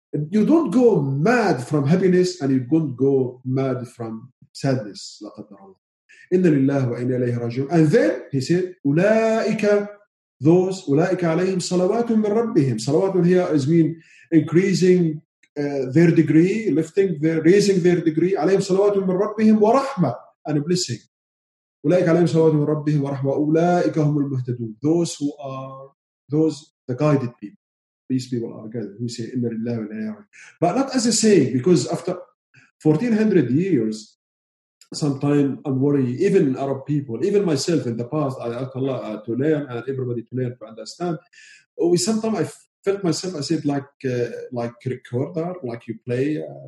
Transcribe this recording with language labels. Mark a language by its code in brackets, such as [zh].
[en] You don't go mad from happiness and you don't go mad from sadness. [ar] لَا قَدْرَ اللَّهِ إِنَّا لِلَّهِ وَإِنَّا إِلَيْهِ رَاجِعُونَ. [en] And then he said, [ar] أُولَٰئِكَ [en] those, [ar] أُولَٰئِكَ عَلَيْهِمْ صَلَوَاتٌ مِّنْ رَبِّهِمْ. [en] صَلَوَاتٌ here is mean increasing their degree, lifting their, raising their degree. [ar] عَلَيْهِمْ صَلَوَاتٌ مِّنْ رَبِّهِمْ وَرَحْمَةٌ [en] and blessing. [ar] أولئك عليهم صلوات من ربهم ورحمة أولئك هم المهتدون. [en] Those who are those the guided people. These people are guided. Who say [ar] إن لله وإنا إليه راجعون. [en] But not as a saying, because after 1400 years, sometime I'm worried. Even Arab people, even myself in the past, I asked Allah to learn and everybody to learn to understand. We sometimes I felt myself. I said like recorder, like you play.